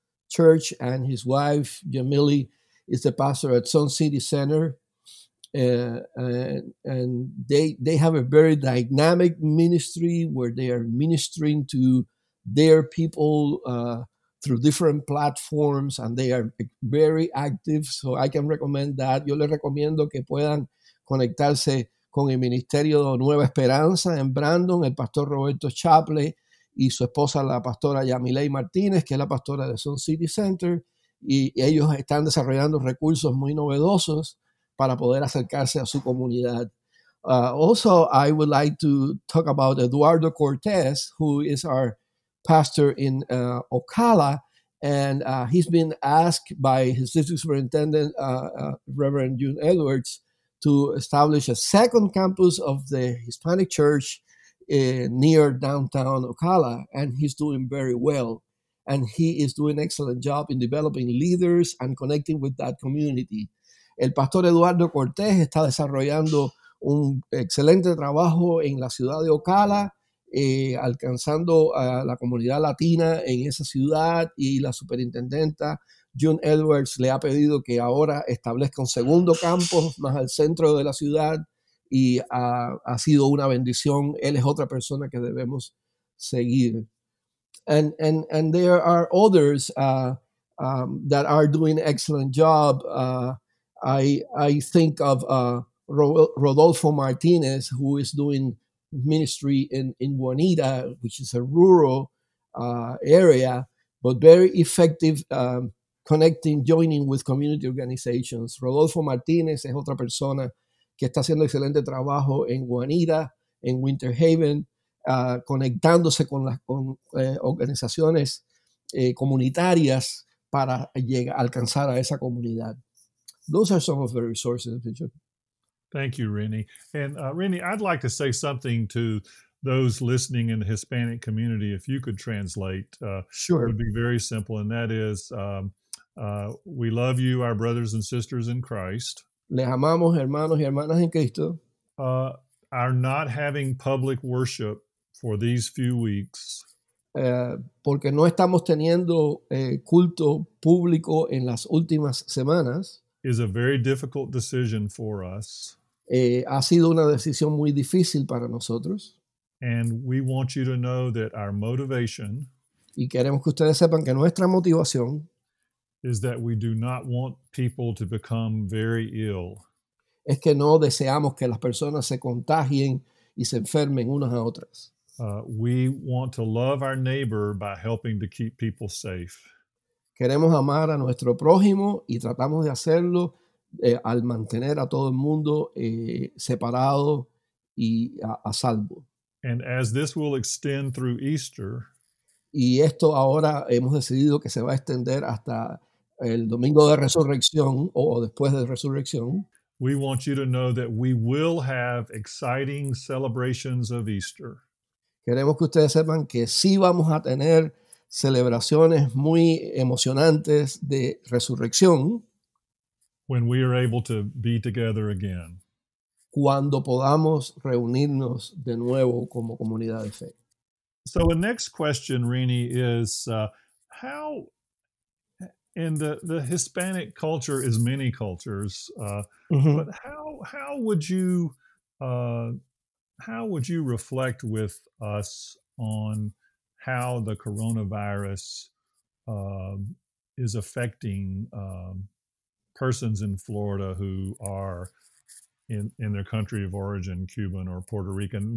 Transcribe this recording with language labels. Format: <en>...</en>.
<en>church, and his wife, Jamili, is the pastor at Sun City Center. And they have a very dynamic ministry where they are ministering to their people through different platforms, and they are very active. So I can recommend that.</en> <es>Yo les recomiendo que puedan conectarse con el Ministerio de Nueva Esperanza en Brandon, el pastor Roberto Chaple y su esposa, la pastora Yamilei Martínez, que es la pastora de Sun City Center. Y ellos están desarrollando recursos muy novedosos para poder acercarse a su comunidad.</es> <en>Also, I would like to talk about Eduardo Cortez, who is our pastor in Ocala. And he's been asked by his district superintendent, Reverend June Edwards, to establish a second campus of the Hispanic Church near downtown Ocala. And he's doing very well. And he is doing an excellent job in developing leaders and connecting with that community.</en> <es>El pastor Eduardo Cortez está desarrollando un excelente trabajo en la ciudad de Ocala, alcanzando a la comunidad latina en esa ciudad, y la superintendenta June Edwards le ha pedido que ahora establezca un segundo campus más al centro de la ciudad, y ha sido una bendición. Él es otra persona que debemos seguir.</es> <en>And there are others that are doing an excellent job. I think of Rodolfo Martinez, who is doing ministry in Juanita, which is a rural area, but very effective connecting, joining with community organizations.</en> <es>Rodolfo Martinez es otra persona que está haciendo excelente trabajo en Juanita, en Winter Haven, conectándose con las organizaciones comunitarias para llegar, alcanzar a esa comunidad.</es> <en>Those are some of the resources, Bishop. Thank you, Rini. And Rini, I'd like to say something to those listening in the Hispanic community, if you could translate. Sure. It would be very simple, and that is, we love you, our brothers and sisters in Christ.</en> <es>Les amamos, hermanos y hermanas en Cristo.</es> <en>Are not having public worship for these few weeks.</en> <es>Porque no estamos teniendo culto público en las últimas semanas.</es> <en>Is a very difficult decision for us.</en> <es>Ha sido una decisión muy difícil para nosotros.</es> <en>And we want you to know that our motivation.</en> <es>Y queremos que ustedes sepan que nuestra motivación.</es> <en>Is that we do not want people to become very ill.</en> <es>Es que no deseamos que las personas se contagien y se enfermen unas a otras.</es> <en>We want to love our neighbor by helping to keep people safe.</en> <es>Queremos amar a nuestro prójimo y tratamos de hacerlo al mantener a todo el mundo separado y a salvo.</es> <en>And as this will extend through Easter,</en> <es>y esto ahora hemos decidido que se va a extender hasta el domingo de resurrección o después de resurrección.</es> <en>We want you to know that we will have exciting celebrations of Easter.</en> <es>Queremos que ustedes sepan que sí vamos a tener celebraciones muy emocionantes de resurrección.</es> <en>When we are able to be together again.</en> <es>Cuando podamos reunirnos de nuevo como comunidad de fe.</es> <en>So the next question, Rini, is how in the Hispanic culture is many cultures, but how would you reflect with us on how the coronavirus is affecting persons in Florida who are in their country of origin, Cuban or Puerto Rican?</en>